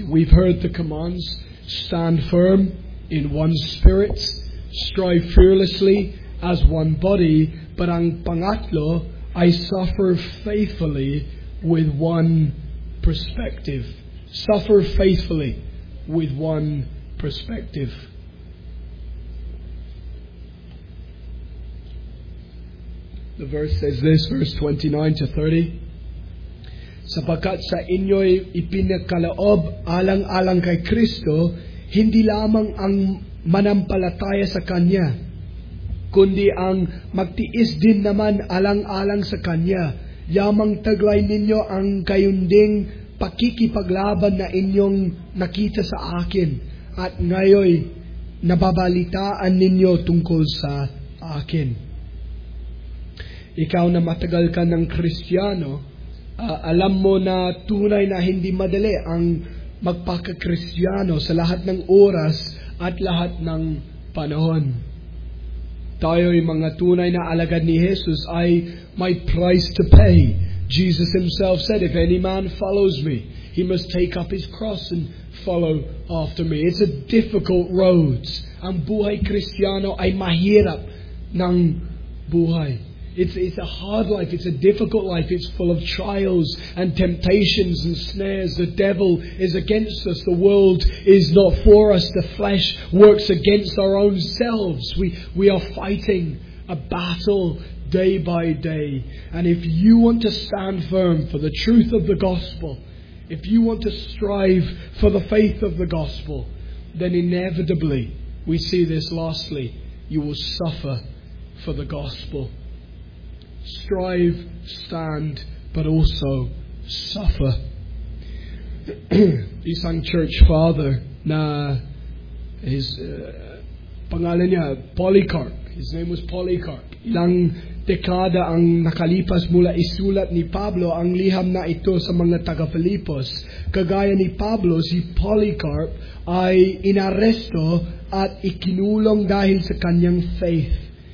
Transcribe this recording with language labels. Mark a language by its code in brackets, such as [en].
[en] We've heard the commands: stand firm in one spirit, strive fearlessly as one body, but [tl] ang pangatlo, [en] I suffer faithfully with one perspective. Suffer faithfully with one perspective. The verse says this, verse 29 to 30. [tl] Sapagkat sa inyo'y ipinagkaloob alang-alang kay Kristo, hindi lamang ang manampalataya sa Kanya, kundi ang magtiis din naman alang-alang sa Kanya. Yamang taglay ninyo ang kayunding pakikipaglaban na inyong nakita sa akin at ngayon nababalitaan ninyo tungkol sa akin. Ikaw na matagal ka ng Kristiyano, alam mo na tunay na hindi madali ang magpaka-Kristiyano sa lahat ng oras at lahat ng panahon. Tayo'y mga tunay na alagad ni Jesus ay may [en] price to pay. Jesus Himself said, if any man follows me, he must take up his cross and follow after me. It's a difficult road. [tl] Ang buhay Kristiyano ay mahirap ng buhay. [en] It's a hard life, it's a difficult life, it's full of trials and temptations and snares. The devil is against us, the world is not for us, the flesh works against our own selves. We are fighting a battle day by day. And if you want to stand firm for the truth of the gospel, if you want to strive for the faith of the gospel, then inevitably, we see this lastly, you will suffer for the gospel. Strive, stand, but also suffer. [tl] Isang church father na his pangalan niya Polycarp. [en] His name was Polycarp. [tl] Ilang dekada ang nakalipas mula isulat ni Pablo ang liham na ito sa mga taga Filipos. Kagaya ni Pablo, si Polycarp ay inaresto at ikinulong dahil sa kanyang faith.